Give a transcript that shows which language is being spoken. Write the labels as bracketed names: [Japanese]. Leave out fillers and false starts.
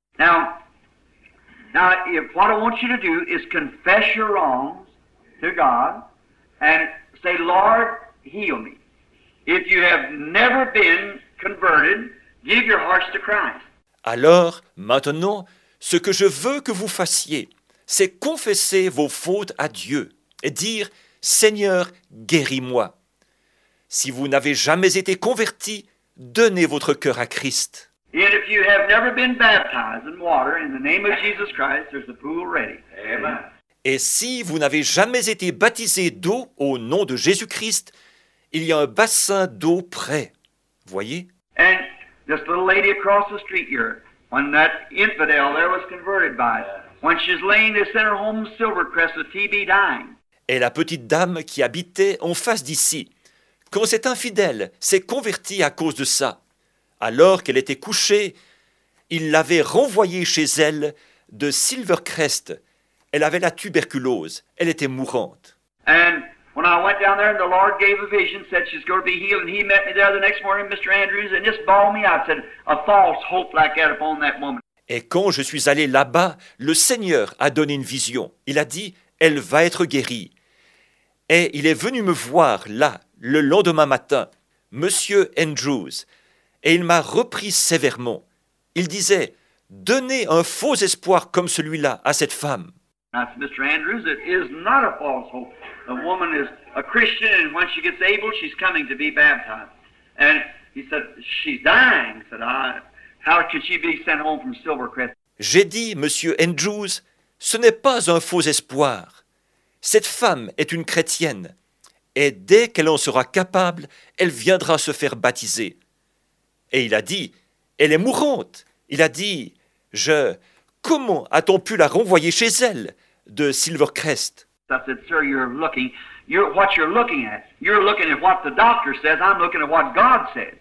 [English] Now, if what I want you to do is confess your wrongs to God and say, Lord, heal me. If you have never been converted, give your hearts to Christ. [French] Alors, maintenant, ce que je veux que vous fassiez, c'est confesser vos fautes à Dieu et dire « Seigneur, guéris-moi ». Si vous n'avez jamais été converti, donnez votre cœur à Christ. [English] And if you have never been baptized in water in the name of Jesus Christ, there's a pool ready. Amen. [French] Et si vous n'avez jamais été baptisé d'eau au nom de Jésus-Christ, il y a un bassin d'eau prêt. Voyez? [English] And this little lady across the street here, when that infidel there was converted by, when she's laying this in her home Silvercrest with TB dying. [French] Et la petite dame qui habitait en face d'ici, quand cet infidèle s'est converti à cause de ça, alors qu'elle était couchée, il l'avait renvoyée chez elle de Silvercrest. Elle avait la tuberculose. Elle était mourante. [English] And when I went down there and the Lord gave a vision, said she's going to be healed, and he met me there the next morning, Mr. Andrews, and just bawled me out, said, a false hope like that upon that woman. [French] Et quand je suis allé là-bas, le Seigneur a donné une vision. Il a dit, elle va être guérie. Et il est venu me voir là, le lendemain matin, Monsieur Andrews, et il m'a repris sévèrement. Il disait, donnez un faux espoir comme celui-là à cette femme. [English] Mr. Andrews, it is not a false hope. The woman is a Christian, and when she gets able, she's coming to be baptized. And he said, she's dying. Said I, how could she be sent home from Silvercrest? [French] J'ai dit, Monsieur Andrews, ce n'est pas un faux espoir. Cette femme est une chrétienne. Et dès qu'elle en sera capable, elle viendra se faire baptiser. Et il a dit, elle est mourante. Il a dit, comment a-t-on pu la renvoyer chez elle de Silvercrest? [English] I said, sir, you're looking at. You're looking at what the doctor says. I'm looking at what God said.